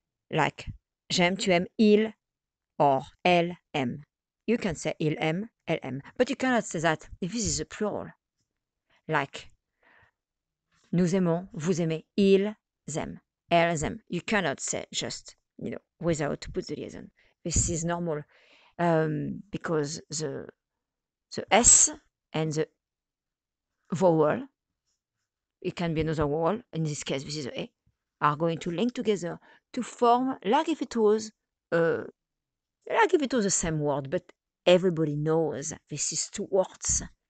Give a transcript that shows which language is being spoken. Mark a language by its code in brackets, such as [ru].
[fr] Like, j'aime, tu aimes, il or elle aime. [en] You can say [fr] il aime, elle aime. [en] But you cannot say that if this is a plural. [fr] Like, nous aimons, vous aimez, ils aiment, elles aiment. [en] You cannot say just, you know, without to put the liaison. This is normal because the S and the vowel, it can be another word, in this case this is a, are going to link together to form like if it was the same word, but everybody knows this is two words.